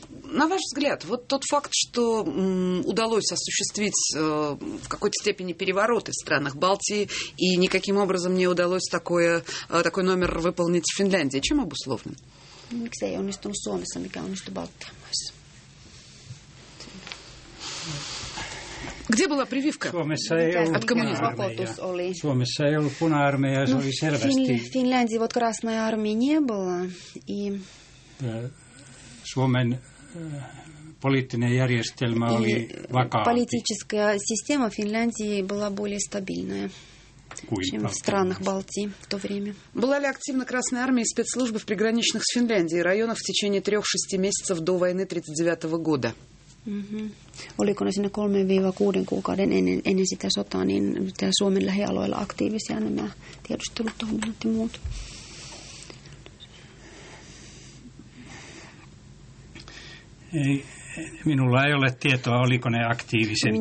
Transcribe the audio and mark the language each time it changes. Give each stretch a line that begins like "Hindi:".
Russian: На ваш взгляд, вот тот факт, что удалось осуществить в какой-то степени перевороты в странах Балтии, и никаким образом не удалось такой номер выполнить в Финляндии, чем обусловлен?
Finnish: Miksei onnistunut Suomessa, mikä onnistui Балтии maissa?
Russian: Где была прививка?
Finnish: Suomessa ei ollut puna-armeija. Suomessa ei ollut puna-armeija, se oli selvästi.
Russian: Финляндии вот красной армии не было, и...
Finnish: Suomen poliittinen järjestelmä oli vakaampi.
Russian: Политическая система Финляндии была более стабильная, чем в странах Балтии в то время. Была ли активна Красная Армия и спецслужбы в приграничных с Финляндией районах в течение 3-6 месяцев до войны 1939 года?
Finnish: Oliko ne siinä 3-6 kuukauden ennen sitä sotaa, niin Suomen lähialueilla aktiivisia nämä tiedustelutoiminnot ja muut? Ei, minulla ei ole tietoa, oliko ne aktiivisempi.